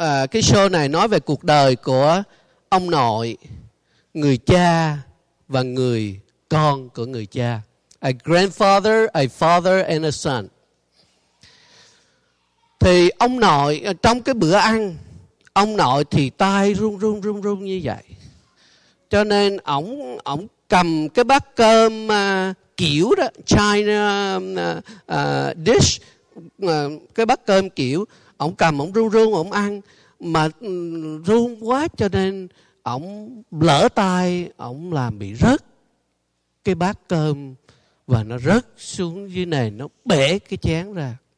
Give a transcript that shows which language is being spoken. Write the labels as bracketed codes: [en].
[vi] Cái show này nói về cuộc đời của ông nội, người cha và người con của người cha. [en] A grandfather, a father and a son. [vi] Thì ông nội trong cái bữa ăn, ông nội thì tay run run như vậy. Cho nên ổng cầm cái bát cơm kiểu đó, [en] China dish, [vi] cái bát cơm kiểu, ổng cầm ổng run run ổng ăn, mà run quá cho nên ổng lỡ tay, ổng làm bị rớt cái bát cơm và nó rớt xuống dưới nền, nó bể cái chén ra.